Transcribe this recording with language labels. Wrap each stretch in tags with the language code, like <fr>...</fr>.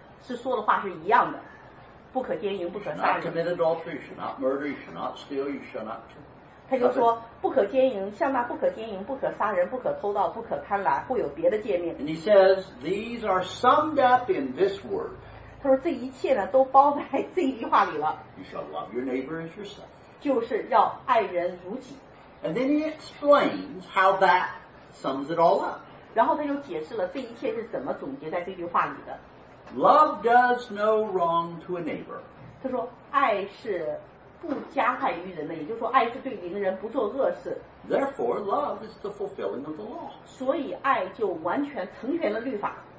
<zh>他在这里讲的跟主耶稣对那个年轻的副官是说的话是一样的 不可奸淫不可杀人</zh> <en>you shall not commit adultery you shall not murder you shall not steal you shall not kill</en> <zh>他就说 不可奸淫像那不可奸淫不可杀人不可偷盗不可贪婪会有别的诫命</zh> <en>and he says these are summed up in this word</en> <zh>他说这一切呢都包在这一句话里了</zh> <en>You shall love your neighbor as yourself</en> <zh>就是要爱人如己</zh> <en>And then he explains how that sums it all up</en> <zh>然后他又解释了这一切是怎么总结在这句话里的</zh> <en>Love does no wrong to a neighbor</en> <zh>他说爱是不加害于人的 也就是说爱是对邻人不做恶事</zh> <en>Therefore love is the fulfilling of the law</en> <zh>所以爱就完全成全了律法</zh>